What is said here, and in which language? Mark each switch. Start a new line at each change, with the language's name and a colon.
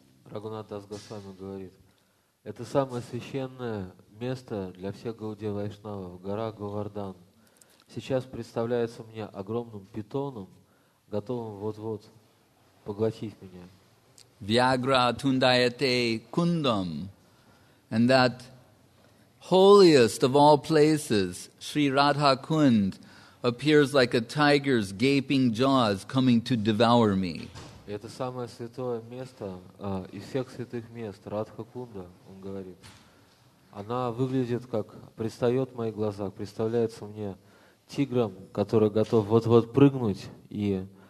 Russian: Raghunath Das Goswami говорит, это самое священное место для всех Гаудия Вайшнавов, гора Говардан. Сейчас представляется мне огромным питоном, готовым вот-вот поглотить меня.
Sanskrit: Vyagra tundayate kundam.
English: And that holiest of all places, Sri Radha Kund, appears like a tiger's gaping jaws coming to devour me.
Russian: Это самое святое место из всех святых мест, Радха Кунда, он говорит. Она выглядит как, предстает в моих глазах, представляется мне тигром, который готов вот-вот прыгнуть и